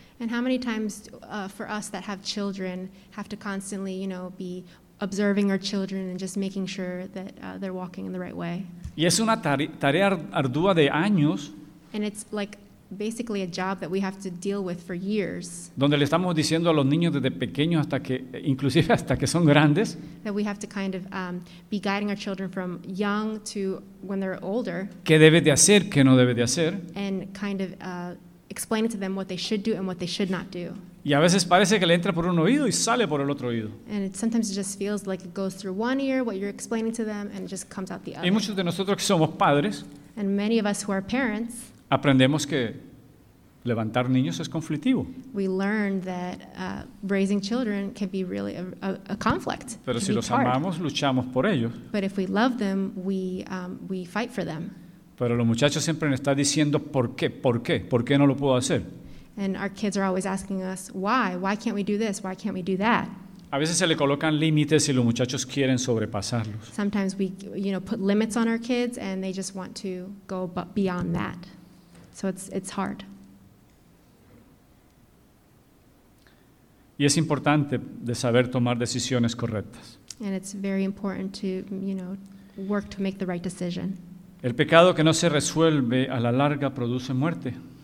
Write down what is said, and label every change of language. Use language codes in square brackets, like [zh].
[en] And how many times for us that have children have to constantly, you know, be observing our children and just making sure that they're walking in the right way. [es] Y es una tarea ardua de años. [en] And it's like basically a job that we have to deal with for years. [es] Donde le estamos diciendo a los niños desde pequeños hasta que, inclusive hasta que son grandes. [en] That we have to kind of be guiding our children from young to when they're older. [es] ¿Qué debe de hacer, qué no debe de hacer? [en] And kind of explaining to them what they should do and what they should not do. [es] Y a veces parece que le entra por un oído y sale por el otro oído. [en] And it sometimes just feels like it goes through one ear, what you're explaining to them, and it just comes out the other. [es] Y muchos de nosotros que somos padres. [en] And many of us who are parents. [es] Aprendemos que levantar niños es conflictivo. [en] We learn that raising children can be really a conflict. [es] Pero si los amamos, luchamos por ellos. [en] But if we love them, we fight for them. [es] Pero los muchachos siempre nos están diciendo por qué no lo puedo hacer. [en] And our kids are always asking us why can't we do this, why can't we do that. [es] A veces se le colocan límites y los muchachos quieren sobrepasarlos. [en] Sometimes we, you know, put limits on our kids and they just want to go beyond that. So it's hard. [es] Y es importante de saber tomar decisiones correctas. [en] And it's very important to, you know, work to make the right decision. [es] El pecado que no se resuelve a la larga produce muerte.